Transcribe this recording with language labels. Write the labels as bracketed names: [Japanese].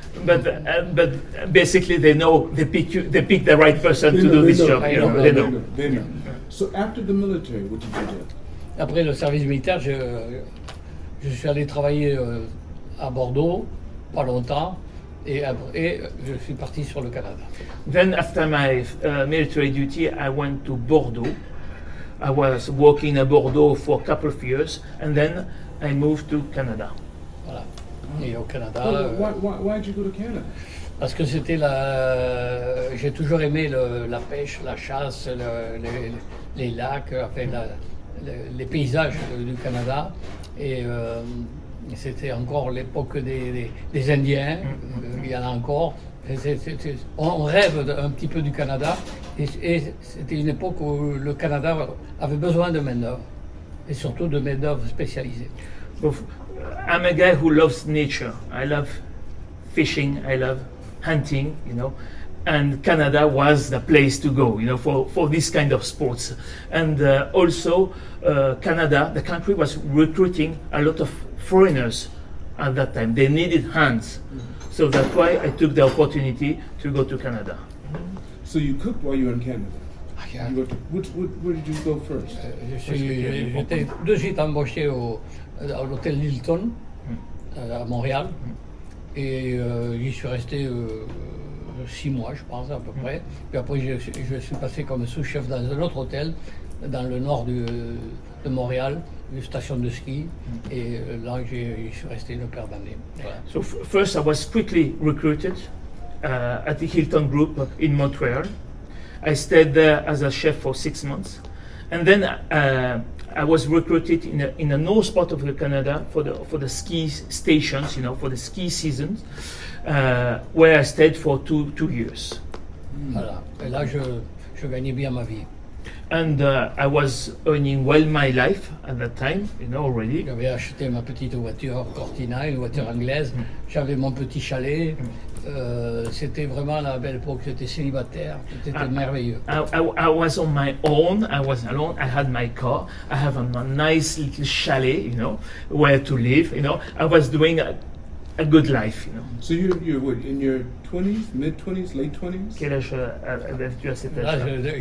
[English] But basically, they know they pick the right person to do this job. They know. So after the military, what did you do? [French] Après le service militaire, je suis allé travailler à Bordeaux. Pas longtemps, et je suis parti sur le Canada. [English] Then after my military duty, I went to Bordeaux. I was working in Bordeaux for a couple of years, and then I moved to Canada. [French] Voilà. Et au Canada. [English] Why did you go to Canada? [French] Parce que c'était j'ai toujours aimé la pêche, la chasse, les lacs, enfin les paysages du Canada, et c'était encore l'époque des Indiens, il y en a encore. On rêve un petit peu du Canada, et c'était une époque où le Canada avait besoin de main-d'œuvre, et surtout de main-d'œuvre spécialisée. [English] I'm a guy who loves nature. I love fishing, I love hunting, you know. And Canada was the place to go, you know, for this kind of sports. And also, Canada, the country, was recruiting a lot of foreigners at that time. They needed hands. Mm-hmm. So that's why I took the opportunity to go to Canada. Mm-hmm. So you cooked while you were in Canada? commercial. Where did you go first? [French] J'étais de suite embauché à l'hôtel Hilton, à Montréal. Et j'y suis resté 6 mois, je pense, à peu près. Puis après, je suis passé comme sous-chef dans un autre hôtel, dans le nord de Montréal, une station de ski. Et là, j'y suis resté une paire d'années. [English] Voilà. So first, I was quickly recruited at the Hilton Group in Montreal. I stayed there as a chef for 6 months. And then I was recruited in the north part of Canada for the ski stations, you know, for the ski seasons, where I stayed for two years. [French] Voilà. Et là, je gagnais bien ma vie. [English] And I was earning well my life at that time, you know, already. [French] J'avais acheté ma petite voiture Cortina, une voiture anglaise. J'avais mon petit chalet. C'était vraiment la belle époque, j'étais célibataire, c'était merveilleux. [English] I was on my own, I was alone, I had my car, I have a nice little chalet, you know, where to live, you know, I was doing a good life, you know. So you're what, in your 20s, mid-20s, late-20s? [French] Quel âge avais-tu à cet âge-là?